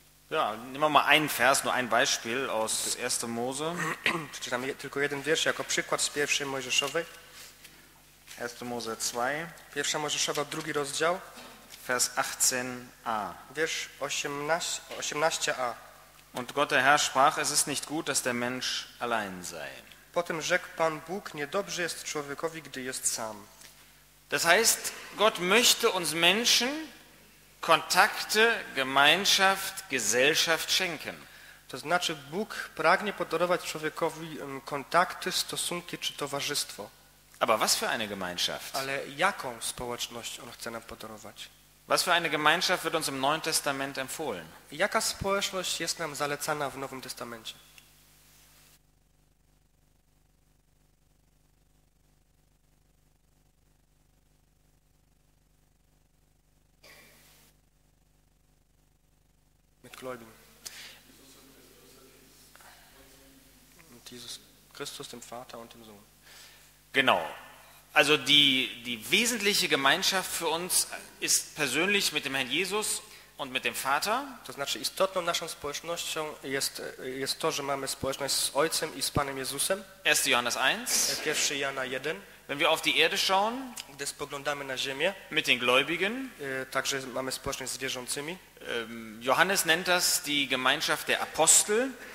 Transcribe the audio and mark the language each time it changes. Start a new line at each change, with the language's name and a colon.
German: Ja, nehmen wir mal einen Vers, nur ein Beispiel aus 1. Mose.
Polish: Czytamy tylko jeden wiersz jako przykład z pierwszej Mojżeszowej.
German: 1. Mose 2.
Polish: Pierwsza Mojżeszowa, drugi rozdział.
German: Vers 18a.
Polish: Wiersz 18a.
German: Und Gott der Herr sprach, es ist nicht gut, dass der Mensch allein sei.
Polish: Potem rzekł Pan Bóg, niedobrze jest człowiekowi, gdy jest sam.
German: Das heißt, Gott möchte uns Menschen Kontakte, Gemeinschaft, Gesellschaft schenken.
Polish: To znaczy, Bóg pragnie podarować człowiekowi kontakty, stosunki czy towarzystwo.
German: Aber was für eine Gemeinschaft?
Polish: Ale jaką społeczność on chce nam podarować?
German: Was für eine Gemeinschaft wird uns im Neuen Testament empfohlen?
Polish: Jaka społeczność jest nam zalecana w Nowym Testamencie?
German: Mit Gläubigen. Mit Jesus Christus, dem Vater und dem Sohn. Genau. Also die wesentliche Gemeinschaft für uns ist persönlich mit dem Herrn Jesus und mit dem Vater.
Polish: To znaczy istotną naszą społecznością jest to, że mamy społeczność z Ojcem i z Panem Jezusem.
German: 1. Johannes 1.
Polish: 1. Jana 1.
German: Wenn wir auf die Erde schauen,
Polish: gdy spoglądamy na ziemię,
German: mit den Gläubigen,
Polish: także mamy społeczność z wierzącymi.
German: Johannes nennt das die Gemeinschaft der Apostel.